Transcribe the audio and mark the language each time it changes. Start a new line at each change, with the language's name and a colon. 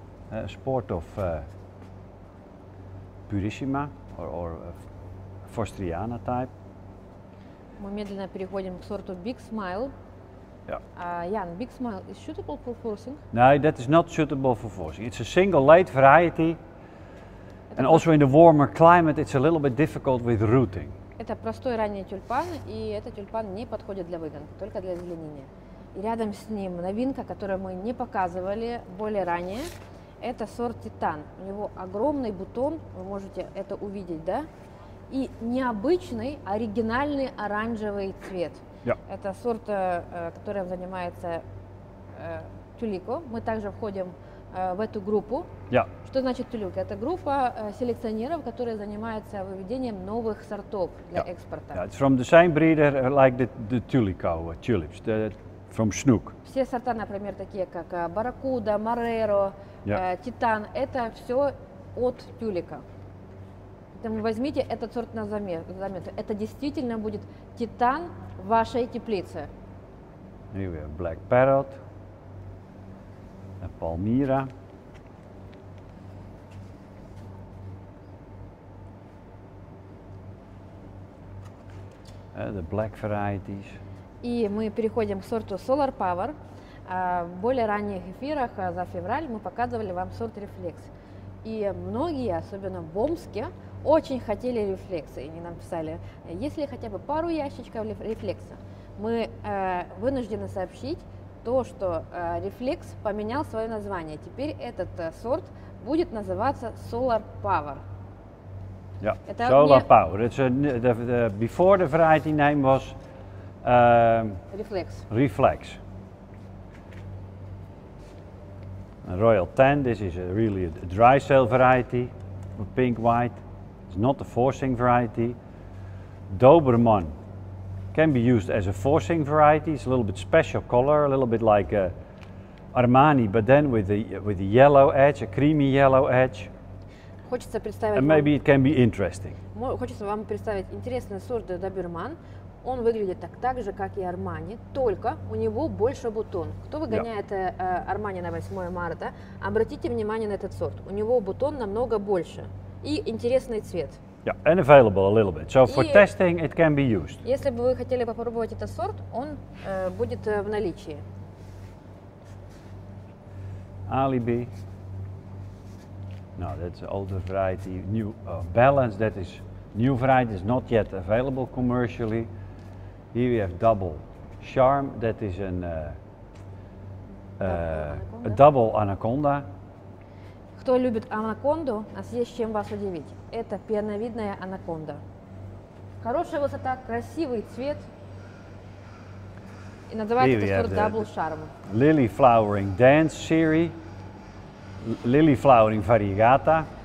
English: A sport of Purissima or Forstriana type.
Russian: Мы медленно переходим к сорту Big Smile.
English: Jan, Big Smile is suitable for forcing? No, that is not suitable for forcing. It's a single late variety. And also in the warmer climate, it's a little bit difficult with rooting.
Russian: Это простой ранний тюльпан, и этот тюльпан не подходит для выгонки, только для зеленения. И рядом с ним новинка, которую мы не показывали более ранее. Это сорт Титан. У него огромный бутон, вы можете это увидеть, да? И необычный, оригинальный оранжевый цвет.
English: Yeah.
Russian: Это сорт, которым занимается Тюлико. Мы также входим в эту группу.
English: Yeah.
Russian: Что значит Тюлико? Это группа селекционеров, которые занимаются выведением новых сортов для
English: yeah.
Russian: экспорта.
English: Yeah, it's from the same breeder like the Tulico tulips, the, from Schnook.
Russian: Все сорта, например, такие как Барракуда, Мореро, Титан, это все от Тюлико. Поэтому возьмите этот сорт на заметку. Это действительно будет Титан вашей теплицы.
English: Here we have Black Parrot, Palmyra, the Black varieties.
Russian: И мы переходим к сорту Solar Power. В более ранних эфирах за февраль мы показывали вам сорт Reflex. И многие, особенно в Омске, очень хотели рефлексы, и они нам писали, есть ли хотя бы пару ящичков рефлекса. Мы вынуждены сообщить то, что рефлекс поменял свое название. Теперь этот сорт будет называться Solar Power. Yeah. Это Solar Power.
English: It's a, the, before the variety name was Reflex. Reflex. Royal Tan, this is a really a dry cell variety, pink white. It's not a forcing variety. Doberman can be used as a forcing variety. It's a little bit special color, a little bit like Armani, but then with the yellow edge, a creamy yellow edge.
Russian: Хочется представить.
English: And maybe it can be interesting.
Russian: Хочется вам представить интересный сорт Доберман. Он выглядит так же, как и Армани, только у него больше бутон. Кто выгоняет Армани на 8 марта? Обратите внимание на этот сорт. У него бутон намного больше. И интересный цвет.
English: Yeah, and available a little bit. So for testing it can be used.
Russian: Если бы вы хотели попробовать этот сорт, он будет в наличии.
English: Alibi. No, that's an older variety. New Balance, that is new variety, is not yet available commercially. Here we have Double Charm, that is an double anaconda.
Russian: Кто любит анаконду, у нас есть чем вас удивить. Это пеновидная анаконда. Хорошая высота, красивый цвет. И называется это сорт Double Charm.
English: Lily Flowering Dance Series. Lily Flowering Variegata.